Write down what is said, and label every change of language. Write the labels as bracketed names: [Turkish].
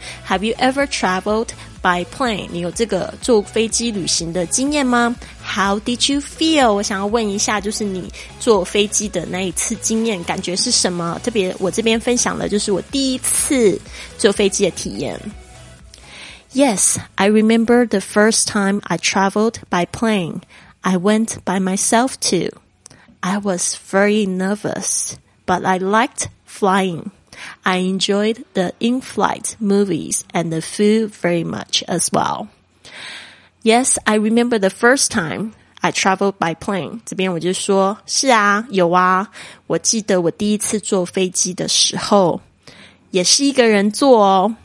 [English] Have you ever traveled by plane? [Chinese] 你有这个坐飞机旅行的经验吗？ [English] How did you feel? [Chinese] 我想要问一下，就是你坐飞机的那一次经验感觉是什么？特别我这边分享了，就是我第一次坐飞机的体验。 [English] Yes, I remember the first time I traveled by plane. I went by myself too. I was very nervous, but I liked flying. I enjoyed the in-flight movies and the food very much as well. Yes, I remember the first time I traveled by plane. [Chinese] 这边我就说，是啊，有啊，我记得我第一次坐飞机的时候也是一个人坐哦。